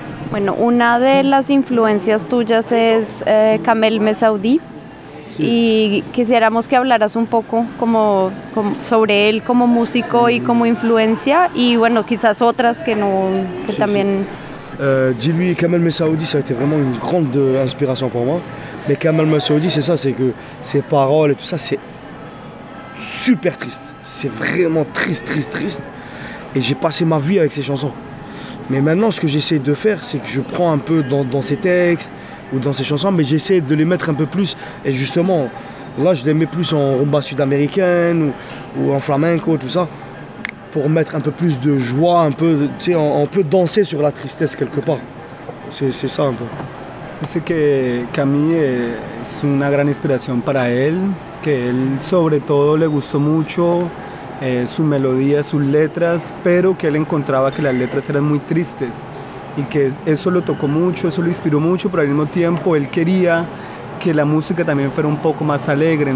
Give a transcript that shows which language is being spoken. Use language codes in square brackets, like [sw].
[es] Bueno, una de las influencias tuyas es Kamel Mesaoudi, sí. Y quisiéramos que hablaras un poco como sobre él como músico y como influencia, y bueno, quizás otras que también... Sí. [fr] Dis-lui, Kamel Mesaoudi, ça a été vraiment une grande inspiration pour moi. Mais Kamel Mesaoudi, c'est ça, c'est que ses paroles et tout ça, c'est super triste. C'est vraiment triste. Et j'ai passé ma vie avec ses chansons. Mais maintenant, ce que j'essaie de faire, c'est que je prends un peu dans ses textes ou dans ses chansons, mais j'essaie de les mettre un peu plus. Et justement, là, je les mets plus en rumba sud-américaine ou en flamenco, tout ça. Pour mettre un peu plus de joie, un peu, tu sais, on peut danser sur la tristesse quelque part. C'est ça un peu. C'est que [es] Camille es una gran inspiración para él, que él sobre todo le gustó mucho su melodía, sus letras, pero que él encontraba que las letras eran muy tristes y que eso lo tocó mucho, eso lo inspiró mucho, pero al mismo tiempo él quería que la música también fuera un poco más alegre.